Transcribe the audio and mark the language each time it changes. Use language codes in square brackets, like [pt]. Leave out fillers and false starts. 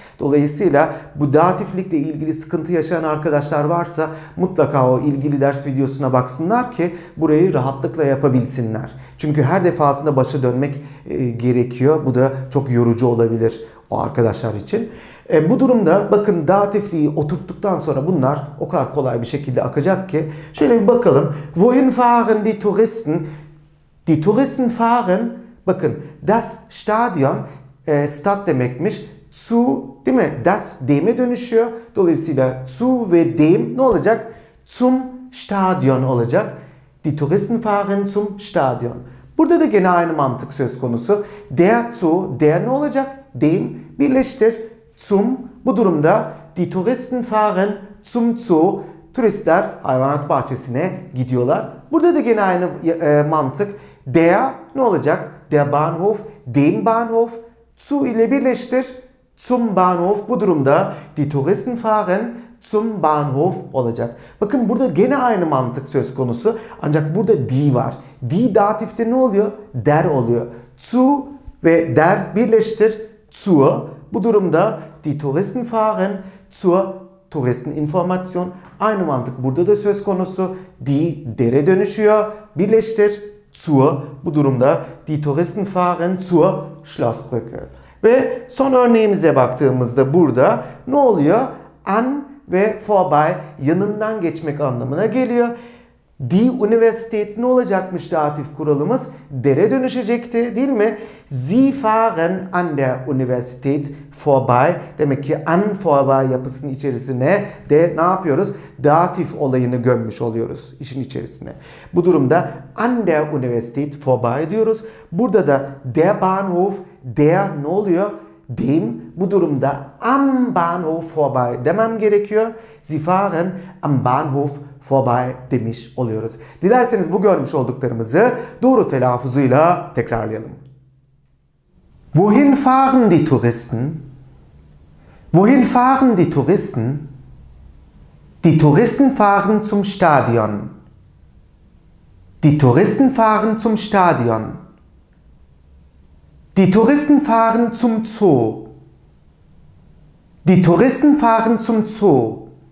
[tr] Dolayısıyla bu datiflikle ilgili sıkıntı yaşayan arkadaşlar varsa mutlaka o ilgili ders videosuna baksınlar ki burayı rahatlıkla yapabilsinler. Çünkü her defasında başa dönmek gerekiyor. Bu da çok yorucu olabilir o arkadaşlar için. Bu durumda bakın datifliği oturttuktan sonra bunlar o kadar kolay bir şekilde akacak ki. Şöyle bir bakalım. [de] Wohin fahren die Touristen? Die Touristen fahren. [tr] Bakın das Stadion, stat demekmiş. Zu, değil mi? Das dem'e dönüşüyor. Dolayısıyla zu ve dem ne olacak? [de] Zum Stadion [tr] olacak. [de] Die Touristen fahren zum Stadion. [tr] Burada da gene aynı mantık söz konusu. Der zu, der ne olacak? Dem birleştir. Zum, bu durumda [de] die Touristen fahren zum Zoo, [tr] turistler hayvanat bahçesine gidiyorlar. Burada da gene aynı mantık. Der ne olacak? Der Bahnhof, dem Bahnhof, zu ile birleştir. [de] Zum Bahnhof, [tr] bu durumda [de] die Touristen fahren zum Bahnhof [tr] olacak. Bakın burada gene aynı mantık söz konusu. Ancak burada die var. Die datifte ne oluyor? Der oluyor. Zu ve der birleştir. Zur. Bu durumda [de] die Touristen fahren zur Touristeninformation. [tr] Aynı mantık burada da söz konusu. Die dere dönüşüyor. Birleştir. Zur. Bu durumda [de] die Touristen fahren zur Schlossbrücke. [tr] Ve son örneğimize baktığımızda burada ne oluyor? An ve vorbei yanından geçmek anlamına geliyor. Die Universität ne olacakmış datif kuralımız? Dere dönüşecekti değil mi? [de] Sie fahren an der Universität vorbei. [tr] Demek ki an vorbei yapısının içerisine de ne yapıyoruz? Datif olayını gömmüş oluyoruz işin içerisine. Bu durumda [de] an der Universität vorbei [tr] diyoruz. Burada da der Bahnhof, der ne oluyor? Dem, bu durumda [de] am Bahnhof vorbei [tr] demem gerekiyor. [de] Sie fahren am Bahnhof vorbei [tr] demiş oluyoruz. Dilerseniz bu görmüş olduklarımızı doğru telaffuzuyla tekrarlayalım. [de] Wohin fahren die Touristen? Wohin fahren die Touristen? Die Touristen fahren zum Stadion. Die Touristen fahren zum Stadion. Die Touristen fahren zum Zoo. Die Touristen fahren zum Zoo.